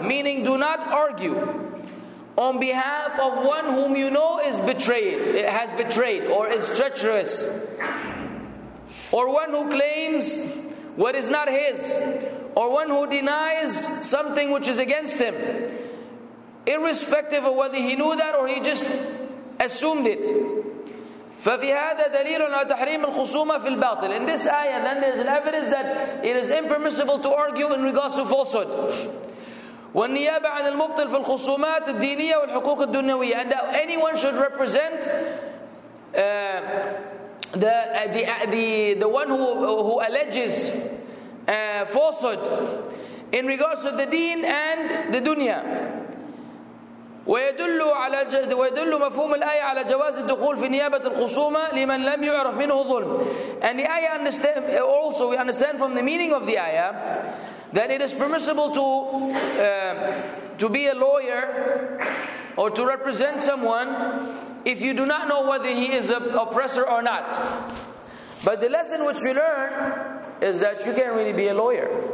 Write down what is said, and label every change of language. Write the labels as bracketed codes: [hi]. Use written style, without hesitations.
[en] Meaning, do not argue on behalf of one whom you know is betrayed, has betrayed, or is treacherous, or one who claims what is not his, or one who denies something which is against him, irrespective of whether he knew that or he just assumed it. [ar] ففي هذا دليل على تحريم الخصومة في الباطل. [en] In this ayah, then there's an evidence that it is impermissible to argue in regards to falsehood. [ar] والنيابة عن المبطل في الخصومات الدينية والحقوق الدنيوية. [en] And that anyone should represent the one who alleges falsehood in regards to the deen and the dunya. [ar] ويدل على ويدل مفهوم الآية على جواز الدخول في نيابة الخصومة لمن لم يعرف منه ظلم. [en] And the ayah we understand from the meaning of the ayah that it is permissible to be a lawyer or to represent someone if you do not know whether he is an oppressor or not. But the lesson which we learn is that you can't really be a lawyer.